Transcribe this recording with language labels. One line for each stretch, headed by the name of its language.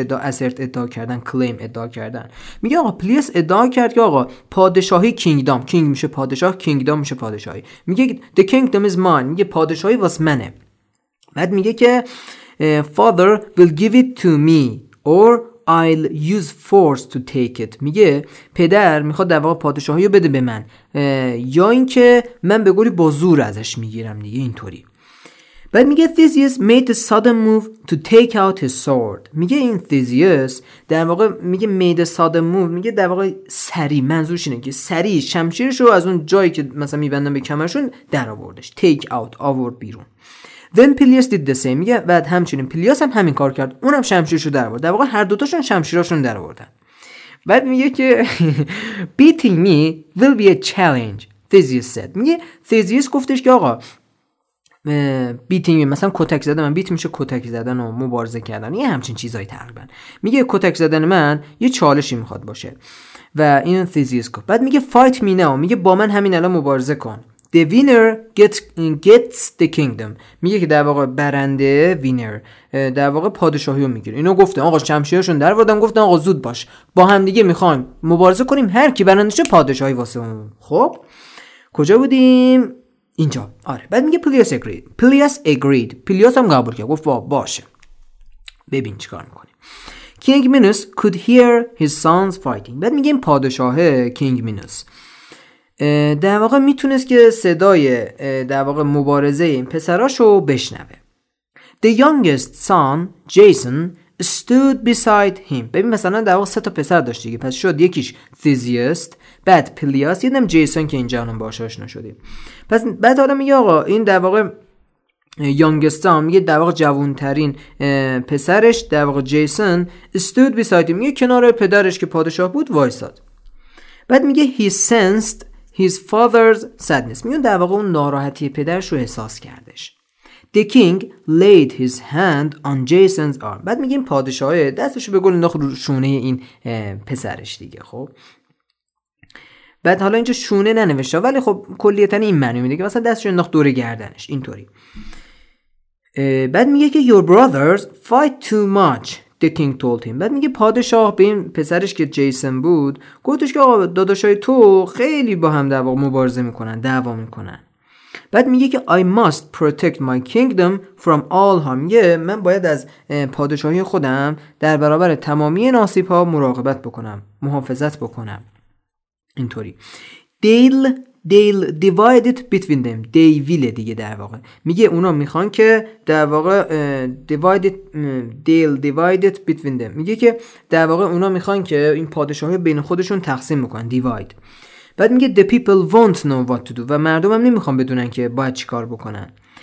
Persian: assert ادعا کردن، claim ادعا کردن. میگه آقا Peleus ادعا کرد که آقا پادشاهی kingdom، king میشه پادشاه، kingdom میشه پادشاهی. میگه
English: The kingdom is mine.
Persian: میگه پادشاهی واس منه. بعد میگه که
English: Father will give it to me or I'll use force to take it.
Persian: میگه پدر میخواد در واقع پادشاهیو بده به من، یا اینکه من به قولی با زور ازش میگیرم دیگه اینطوری. بعد میگه
English: Theseus made a sudden move to take out his sword.
Persian: میگه این Theseus در واقع میگه
English: made a sudden move،
Persian: میگه در واقع سری، منظورش اینه که سری شمشیرشو از اون جایی که مثلا میبندن به کمرشون در آوردش، take out، آورد بیرون.
English: Then Peleus did the same.
Persian: میگه بعد همچنین Peleus هم همین کار کرد، اونم شمشیرشو در آورد. در واقع هر دوتاشون شمشیراشون در آوردن. بعد میگه که
English: Beating me will be a challenge, Theseus said.
Persian: میگه Theseus گفتش که آقا بیتینگ مثلا کتک زدن، من بیت میشه کتک زدن و مبارزه کردن، یه همچین چیزایی تقریبا. میگه کتک زدن من یه چالشی میخواد باشه و این Theseus گفت. بعد میگه
English: Fight me now.
Persian: میگه با من همین الان مبارزه کن.
English: The winner gets the kingdom.
Persian: میگه که در واقع برنده، winner، در واقع پادشاهیو میگیره. اینو گفته آقا شمشیرشون در آوردن، گفتن آقا زود باش با هم دیگه میخوایم مبارزه کنیم، هر کی برنده شه پادشاهی واسه اون. خب کجا بودیم؟ اینجا. آره. بعد میگه
English: Peleus agreed.
Persian: Peleus هم قبول کرد، گفت باشه ببین چیکار میکنیم.
English: King Minos could hear his sons fighting.
Persian: بعد میگه این پادشاه King Minos در واقع میتونست که صدای در واقع مبارزه این پسراشو بشنوه.
English: The youngest son, Jason, stood beside him.
Persian: ببین مثلا در واقع سه تا پسر داشت دیگه. پس شد یکیش Theseus، بعد Pelias، یه دم جیسون که اینجا هم باهاش آشنا شدیم. پس بعد حالا میگه آقا این در واقع
English: youngest son،
Persian: میگه در واقع جوانترین پسرش در واقع جیسون
English: stood beside him،
Persian: میگه کنار پدرش که پادشاه بود وایساد. بعد میگه
English: he sensed his father's sadness،
Persian: میگه در واقع اون ناراحتی پدرش رو احساس کردش.
English: The king laid his hand on Jason's arm.
Persian: بعد میگیم پادشاه دستشو به گل انداخت رو شونه این پسرش دیگه. خب بعد حالا اینجا شونه ننوشته ولی خب کلیتاً این معنی میده که مثلا دستشو انداخت دور گردنش اینطوری. بعد میگه که
English: your brothers fight too much، the king told him.
Persian: بعد میگه پادشاه به این پسرش که جیسون بود گفتش که آقا داداشای تو خیلی با هم دعوا مبارزه میکنن، دعوا میکنن. بعد میگه که
English: I must protect my kingdom from all harm.
Persian: یه من باید از پادشاهی خودم در برابر تمامی ناسیب ها مراقبت بکنم، محافظت بکنم. اینطوری.
English: They'll divide it between them. They will
Persian: دیگه در واقع. میگه اونا میخوان که در واقع
English: they'll divide it between them.
Persian: میگه که در واقع اونا میخوان که این پادشاهی بین خودشون تقسیم بکنن.
English: Divide.
Persian: بعد میگه
English: the people won't know what to do
Persian: و مردم هم نمیخوان بدونن که باید چی کار بکنن.